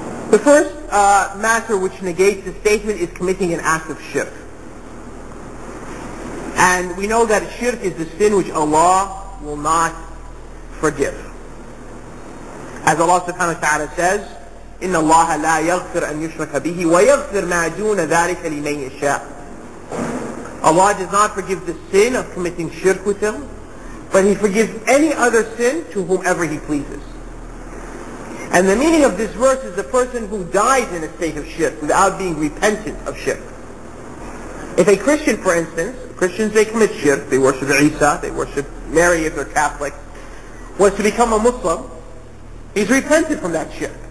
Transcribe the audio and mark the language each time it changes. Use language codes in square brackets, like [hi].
[en] The first matter which negates the statement is committing an act of shirk. And we know that shirk is the sin which Allah will not forgive. As Allah subhanahu wa ta'ala says, [ar] إن الله لا يغفر أن يشرك به ويغفر ما دون ذلك لمن يشاء. [en] Allah does not forgive the sin of committing shirk with him, but he forgives any other sin to whomever he pleases. And the meaning of this verse is the person who dies in a state of shirk without being repentant of shirk. If a Christian, for instance, Christians, they commit shirk, they worship Isa, they worship Mary if they're Catholic, was to become a Muslim, he's repented from that shirk.